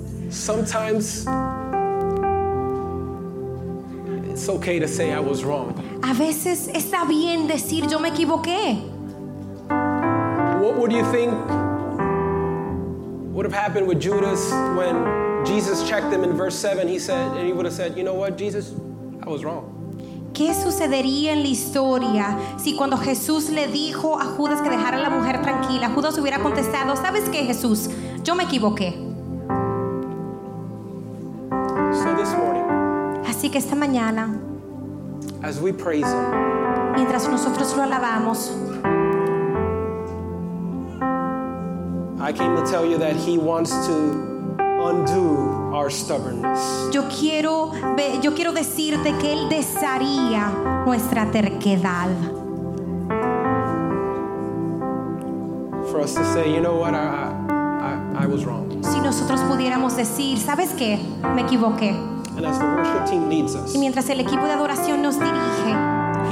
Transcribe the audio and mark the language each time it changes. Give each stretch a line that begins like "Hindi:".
English: Sometimes it's okay to say I was wrong.
Spanish: A veces está bien decir yo me equivoqué.
English: What would you think would have happened with Judas when Jesus checked him in verse 7? He said, and he would have said, you know what, Jesus, I was wrong.
Spanish: ¿Qué sucedería en la historia si cuando Jesús le dijo a Judas que dejara a la mujer tranquila, Judas hubiera contestado, ¿sabes qué, Jesús? Yo me equivoqué.
English: So this morning,
Spanish: así que esta mañana,
English: as we praise him,
Spanish: mientras nosotros lo alabamos,
English: I came to tell you that he wants to undo our stubbornness.
Spanish: Yo quiero decirte que él desharía nuestra terquedad.
English: For us to say, you know what, I was wrong.
Spanish: Si nosotros pudiéramos decir, ¿sabes qué? Me equivoqué.
English: And as the worship team leads us.
Spanish: Y mientras el equipo de adoración nos dirige.